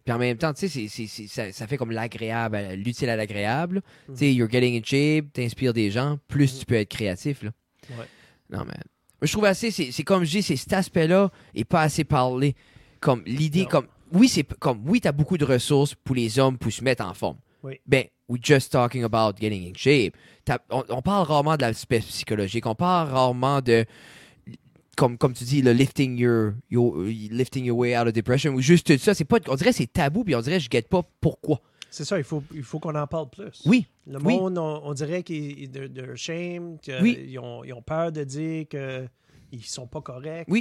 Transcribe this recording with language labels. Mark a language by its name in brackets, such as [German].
[French] Puis en même temps, tu sais, ça fait comme l'agréable, l'utile à l'agréable. Tu sais, [English] you're getting in shape, [French] t'inspires des gens, plus tu peux être créatif. Là. Ouais. Non, mais... Je trouve assez, c'est comme je dis, c'est cet aspect-là et pas assez parlé. Comme l'idée, non. Comme oui, c'est comme oui, t'as beaucoup de ressources pour les hommes pour se mettre en forme. Oui. [English] Ben, we're just talking about getting in shape. [French] On parle rarement de l'aspect psychologique. On parle rarement de, comme tu dis, le [English] lifting your way out of depression [French] ou juste tout ça. C'est pas, on dirait que c'est tabou, puis on dirait que je guette pas pourquoi. C'est ça, il faut qu'on en parle plus. Oui. Le monde, oui. On dirait qu'ils sont ashamed, ils ont peur de dire qu'ils ne sont pas corrects.